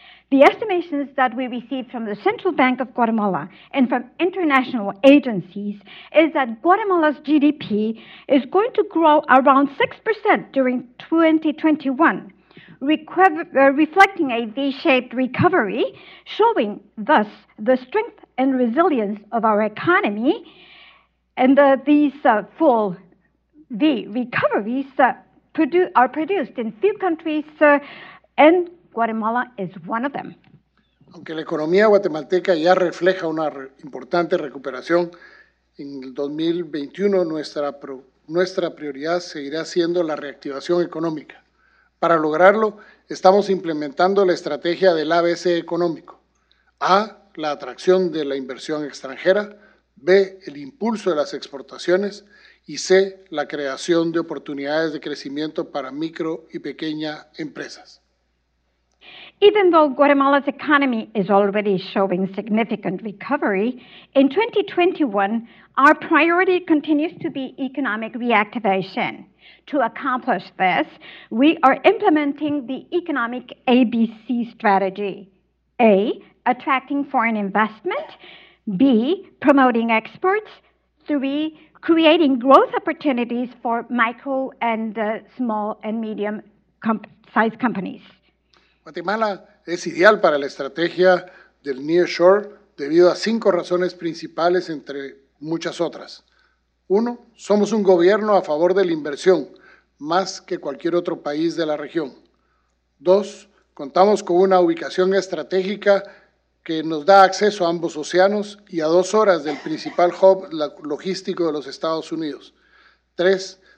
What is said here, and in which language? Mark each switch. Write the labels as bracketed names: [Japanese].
[English] The estimations that we received from the Central Bank of Guatemala and from international agencies is that Guatemala's GDP is going to grow around 6% during 2021, reflecting a V-shaped recovery, showing thus the strength and resilience of our economy, and these full recoveries are produced in few countries, and Guatemala is one of them. [Spanish] Aunque la economía guatemalteca ya refleja una importante recuperación, en el 2021 nuestra prioridad seguirá siendo la reactivación económica. Para lograrlo, estamos implementando la estrategia del ABC económico. A, la atracción de la inversión extranjera, B, el impulso de las exportaciones y C, la creación de oportunidades de crecimiento para micro y pequeñas empresas. [English] Even though Guatemala's economy is already showing significant recovery, in 2021, our priority continues to be economic reactivation. To accomplish this, we are implementing the economic ABC strategy. A, attracting foreign investment, B, promoting exports, 3, creating growth opportunities for micro and small and medium sized companies. [Spanish] Guatemala es ideal para la estrategia del Nearshore debido a 5 razones principales, entre muchas otras. 1, somos un gobierno a favor de la inversión, más que cualquier otro país de la región. 2, contamos con una ubicación estratégica que nos da acceso a ambos océanos y a 2 horas del principal hub logístico de los Estados Unidos. 3,